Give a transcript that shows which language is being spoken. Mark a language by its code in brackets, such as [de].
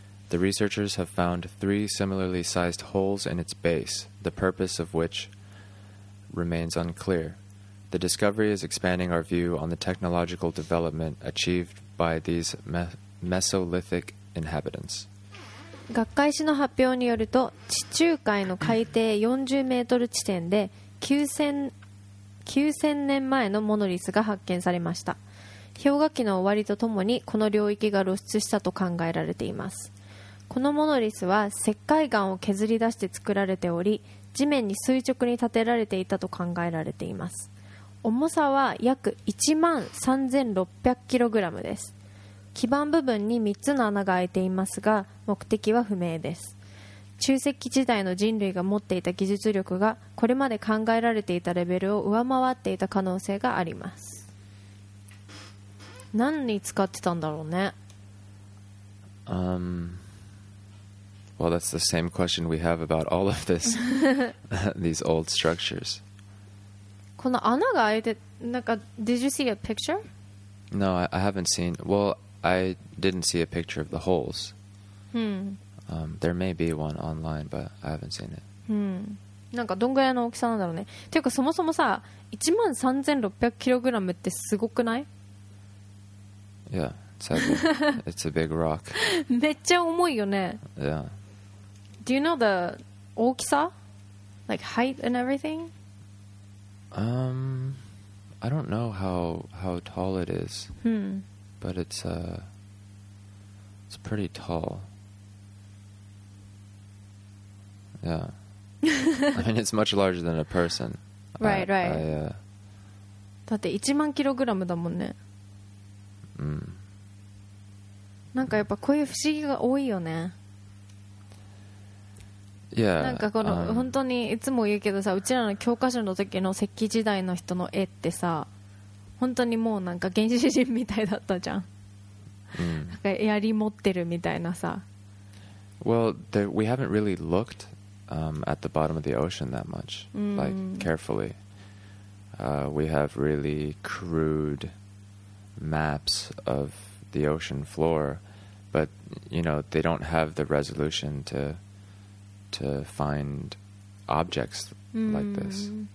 [en] The researchers have found three similarly sized holes in its base, the purpose of which remains unclear. The discovery is expanding our view on the technological development achieved by these Mesolithic inhabitants. [ja] 学会誌の発表によると、地中海の海底40メートル地点で9000年前のモノリスが発見されました。氷河期の終わりとともにこの領域が露出したと考えられています。このモノリスは石灰岩を削り出して作られており、地面に垂直に建てられていたと考えられています。重さは約13,600kgです。基板部分に3つの穴が開いていますが、目的は不明です。中石器時代の人類が持っていた技術力が、これまで考えられていたレベルを上回っていた可能性があります。何に使ってたんだろうね。 [en] Well, that's the same question we have about all of this, these old structures. [ja] この穴が開いて、なんか、 [en] did you see a picture? No, I haven't seen. Well, I didn't see a picture of the holes. There may be one online, but I haven't seen it. [ja] なんかどんぐらいの大きさなんだろうね。ていうかそもそもさ、13,600kgってすごくない? [en] Yeah, it's a big rock. [ja] めっちゃ重いよね。 [en] Yeah. Do you know the 大きさ?Like height and everything? I don't know how tall it is, but it's pretty tall. Yeah. I mean, it's much larger than a person. Right, right. I [ja] だって1万キログラムだもんね。なんかやっぱこういう不思議が多いよね。 [en] Yeah, [ja] なんかこの本当にいつも言うけどさ、うちらの教科書の時の石器時代の人の絵ってさ、本当にもうなんか原始人みたいだったじゃん。なんか槍持ってるみたいなさ。 [en] Well, we haven't really looked at the bottom of the ocean that much, like carefully. We have really crude maps of the ocean floor, but you know they don't have the resolution to find objects like this.